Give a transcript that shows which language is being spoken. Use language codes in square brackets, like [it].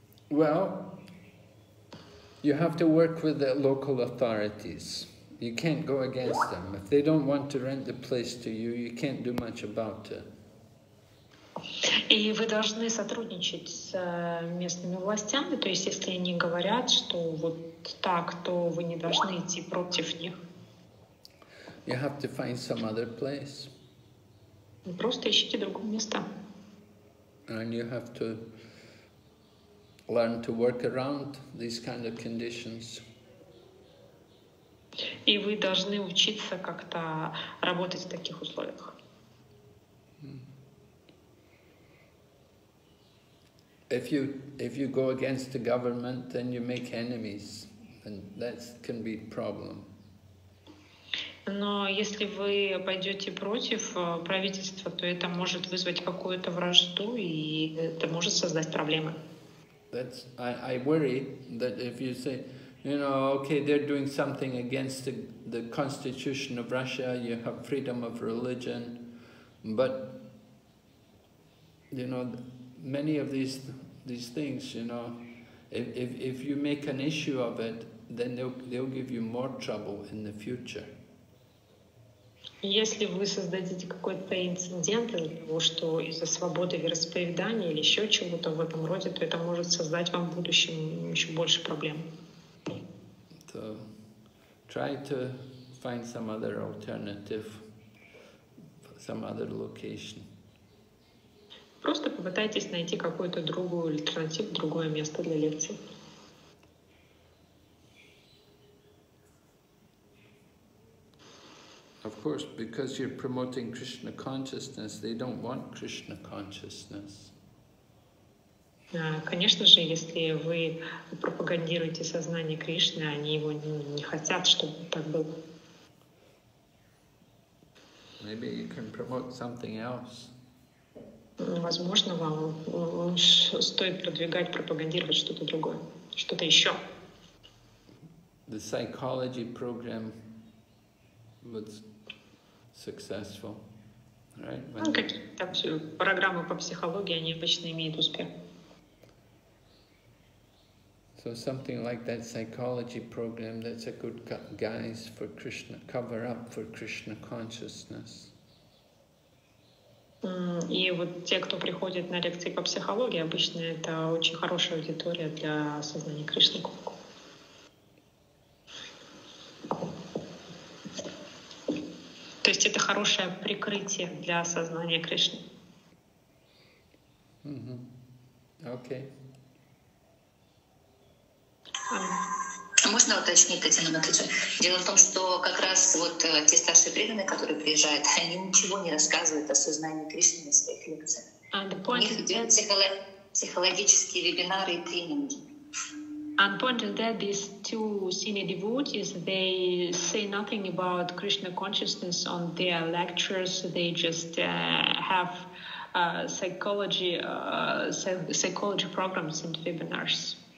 [en] Well, you have to work with the local authorities. You can't go against them. If they don't want to rent the place to you, you can't do much about it. [ru] И вы должны сотрудничать с местными властями, то есть если они говорят, что вот так, то вы не должны идти против них. [en] You have to find some other place. [ru] Просто ищите другое место. [en] And you have to learn to work around these kind of conditions. [ru] И вы должны учиться как-то работать в таких условиях. [en] If you go against the government, then you make enemies, and that can be problem. [ru] Но если вы пойдете против правительства, то это может вызвать какую-то вражду, и это может создать проблемы. [en] That's, I worry that if you say, you know, okay, they're doing something against the constitution of Russia, you have freedom of religion, but, you know, many of these things, you know, if you make an issue of it, then they'll give you more trouble in the future. [ru] Если вы создадите какой-то инцидент из-за того, что из-за свободы вероисповедания или еще чего-то в этом роде, то это может создать вам в будущем еще больше проблем. [en] So, try to find some other alternative, some other location. [ru] Просто попытайтесь найти какую-то другую альтернативу, другое место для лекции. [en] Of course, because you're promoting Krishna consciousness, they don't want Krishna consciousness. [ru] Конечно же, если вы пропагандируете сознание Кришны, они его не хотят, чтобы так было. [en] Maybe you can promote something else. [ru] Возможно, вам стоит продвигать, пропагандировать что-то другое, что-то еще. [en] The psychology program would successful, right? When [ru] какие-то программы по психологии, они обычно имеют успех. [en] So something like that psychology program, that's a good guise for Krishna, cover up for Krishna consciousness. [ru] И вот те, кто приходит на лекции по психологии, обычно это очень хорошая аудитория для сознания Кришны. То есть это хорошее прикрытие для сознания Кришны. Окей. Можно уточнить, Татьяна Анатольевна? Дело в том, что как раз вот те старшие преданные, которые приезжают, они ничего не рассказывают о сознании Кришны на своих лекциях. У них идут психологические вебинары и тренинги. [en] And the point is that these two senior devotees, they say nothing about Krishna consciousness on their lectures. They just have psychology programs and webinars.